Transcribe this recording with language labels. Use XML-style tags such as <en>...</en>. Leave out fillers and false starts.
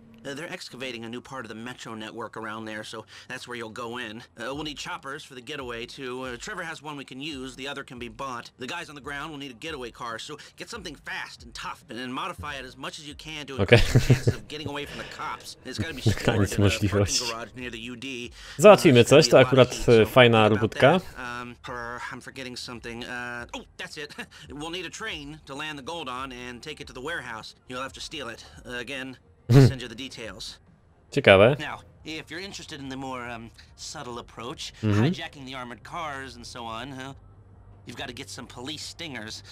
<en>They're excavating a new part of the metro network around there, so that's where you'll go in. We'll need choppers for the getaway, too. Trevor has one we can use, the other can be bought. The guys on the ground will need a getaway car, so get something fast and tough, and then modify it as much as you can to increase the chances of getting away from the cops. It's gotta be stored in a parking garage near the UD.</en> <pl>Załatwimy coś, to akurat fajna robótka.</pl> <en>I'm forgetting something. Oh, that's it. We'll need a train to land the gold on and take it to the warehouse. You'll have to steal it. Again. Send you the details.</en> <pl>Ciekawe.</pl> <en>Now, if you're interested in the more subtle approach, mm-hmm. hijacking the armored cars and so on, you've got to get some police stingers.</en>